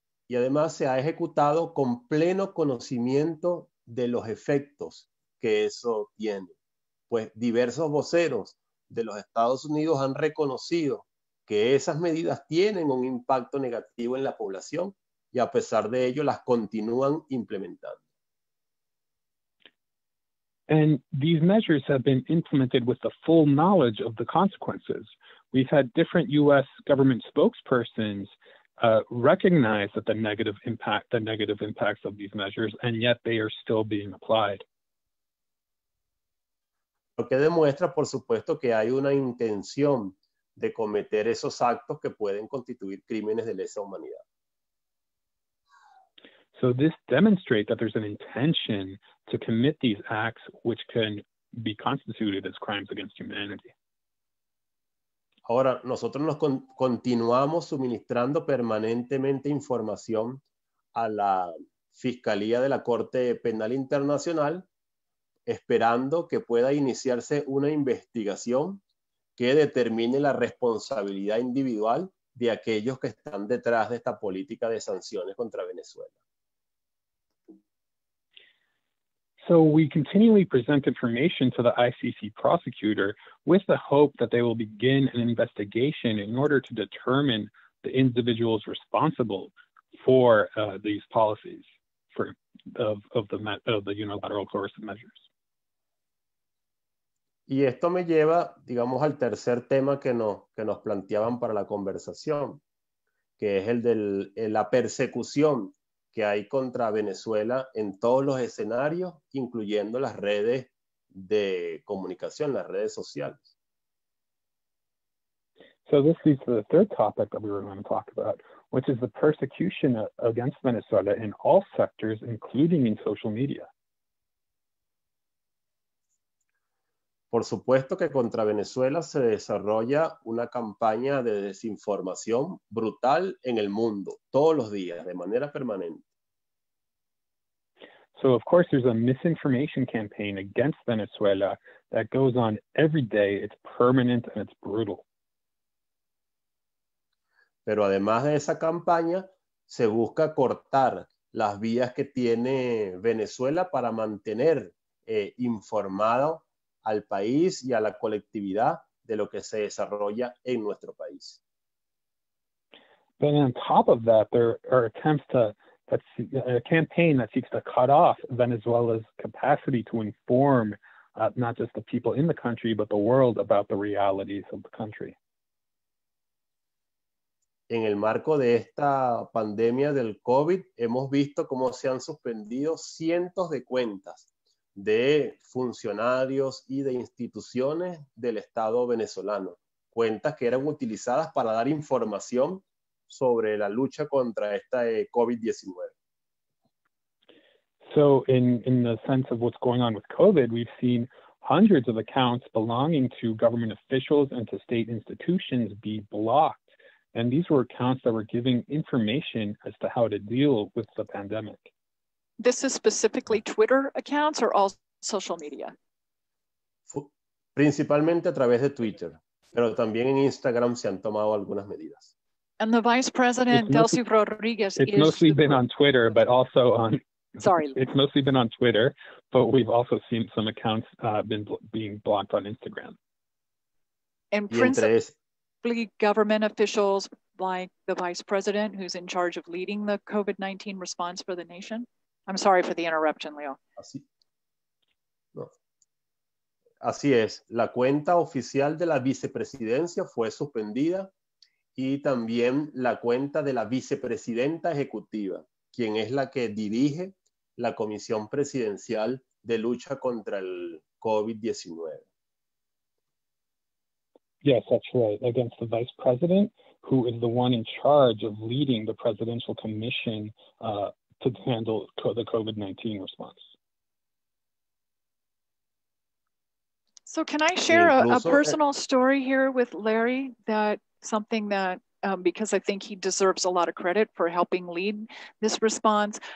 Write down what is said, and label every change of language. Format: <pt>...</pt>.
<es>Y además se ha ejecutado con pleno conocimiento de los efectos que eso tiene. Pues diversos voceros de los Estados Unidos han reconocido que esas medidas tienen un impacto negativo en la población y a pesar de ello las continúan implementando.</es> <en>And these measures have been implemented with the full knowledge of the consequences. We've had different U.S. government spokespersons recognize that the negative impacts of these measures, and yet they are still being applied.</en> <es>Lo que demuestra, por supuesto, que hay una intención de cometer esos actos que pueden constituir crímenes de lesa humanidad.</es> <en>So this demonstrates that there's an intention to commit these acts, which can be constituted as crimes against humanity.</en> <es>Ahora, nosotros nos continuamos suministrando permanentemente información a la Fiscalía de la Corte Penal Internacional, esperando que pueda iniciarse una investigación que determine la responsabilidad individual de aquellos que están detrás de esta política de sanciones contra Venezuela.</es> <en>So we continually present information to the ICC prosecutor with the hope that they will begin an investigation in order to determine the individuals responsible for these policies of the unilateral coercive measures.</en> <es>Y esto me lleva, digamos, al tercer tema que nos planteaban para la conversación, que es el de la persecución que hay contra Venezuela en todos los escenarios, incluyendo las redes de comunicación, las redes sociales.</es> <en>So this leads to the third topic that we were going to talk about, which is the persecution against Venezuela in all sectors, including in social media.</en> <es>Por supuesto que contra Venezuela se desarrolla una campaña de desinformación brutal en el mundo, todos los días, de manera permanente.</es> <en>So, of course, there's a misinformation campaign against Venezuela that goes on every day. It's permanent and it's brutal.</en> <es>Pero además de esa campaña, se busca cortar las vías que tiene Venezuela para mantener informado al país y a la colectividad de lo que se desarrolla en nuestro país.</es> <en>But on top of that, there are attempts to That's a campaign that seeks to cut off Venezuela's capacity to inform not just the people in the country, but the world about the realities of the country.</en> <es>En el marco de esta pandemia del COVID, hemos visto cómo se han suspendido cientos de cuentas de funcionarios y de instituciones del Estado venezolano, cuentas que eran utilizadas para dar información sobre la lucha contra esta COVID-19.</es> <en>So in the sense of what's going on with COVID, we've seen hundreds of accounts belonging to government officials and to state institutions be blocked. And these were accounts that were giving information as to how to deal with the pandemic. This is specifically Twitter accounts or all social media?</en> <es>Principalmente a través de Twitter, pero también en Instagram se han tomado algunas medidas.</es> <en>And the vice president, Delcy Rodriguez, it's mostly been on Twitter, but we've also seen some accounts being blocked on Instagram. And principally government officials, like the vice president who's in charge of leading the COVID-19 response for the nation? I'm sorry for the interruption, Leo.</en> <es>Así es. La cuenta oficial de la vicepresidencia fue suspendida y también la cuenta de la vicepresidenta ejecutiva, quien es la que dirige la Comisión Presidencial de Lucha contra el COVID-19.</es> <en>Yes, that's right. Against the vice president, who is the one in charge of leading the presidential commission to handle the COVID-19 response. So can I share a personal story here with Larry, that something that because I think he deserves a lot of credit for helping lead this response.</en>